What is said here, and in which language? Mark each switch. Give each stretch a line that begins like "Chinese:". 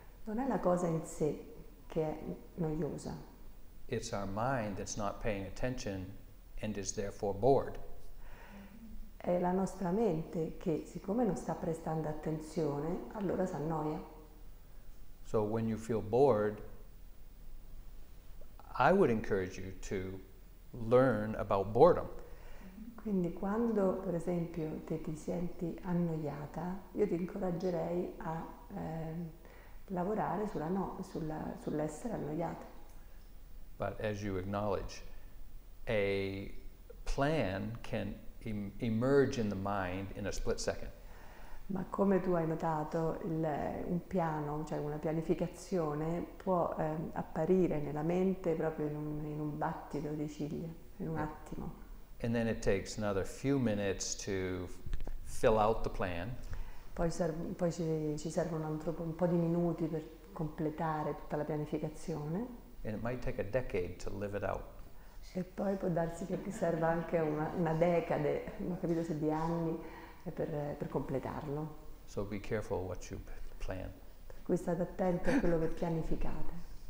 Italian: Non è la cosa in sé che è noiosa.
English: It's our mind that's not paying attention and is therefore bored.
Italian: È la nostra mente che, siccome non sta prestando attenzione, allora si annoia.
English: So when you feel bored, I would encourage you to learn about boredom.
Italian: Quindi quando, per esempio, te ti senti annoiata, io ti incoraggerei a lavorare sulla no, sulla, sull'essere annoiata.
English: But as you acknowledge, a plan can emerge in the mind in a split second.
Italian: Ma come tu hai notato, un piano, cioè una pianificazione, può apparire nella mente proprio in un battito di ciglia, in un attimo.
English: And then it takes another few minutes to fill out the plan.
Italian: Poi ci servono un po' di minuti per completare tutta la pianificazione.
English: And it might take a decade to live it out.
Italian: E poi può darsi che serva anche una decade, non ho capito se di anni, per completarlo.
English: So be careful what you plan.
Italian: Per cui state attenti a quello che pianificate.